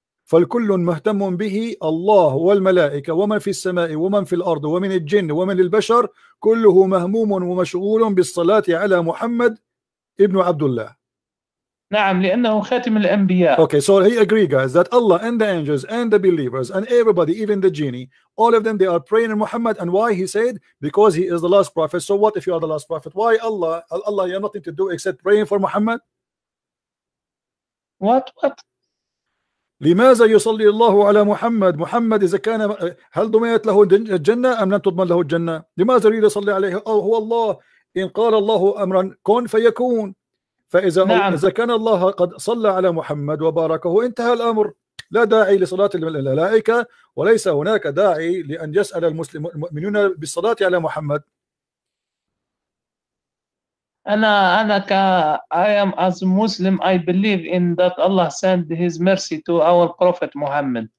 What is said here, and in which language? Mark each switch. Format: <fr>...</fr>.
<ar>فالكل مهتم به الله والملائكة ومن في السماء ومن في الأرض ومن الجن ومن البشر كله مهموم ومشغول بالصلاة على محمد ابن عبد الله. نعم لأنه خاتم الأنبياء.</ar> <en>Okay, so he agreed, guys, that Allah and the angels and the believers and everybody, even the genie, all of them, they are praying in Muhammad. And why he said? Because he is the last prophet. So what if you are the last prophet? Why Allah? Allah, you have nothing to do except praying for Muhammad. What?</en> <ar>لماذا يصلي الله على محمد؟ محمد إذا كان هل ضمنت له الجنة أم لن تضمن له الجنة؟ لماذا يريد يصلي عليه؟ أو هو الله إن قال الله أمرا كن فيكون. فإذا نعم. إذا كان الله قد صلى على محمد وباركه انتهى الأمر، لا داعي لصلاة الملائكة، وليس هناك داعي لأن يسأل المؤمنون بالصلاة على محمد. أنا</ar> <en>I am as Muslim, I believe in that Allah sent his mercy to our Prophet Muhammad.</en>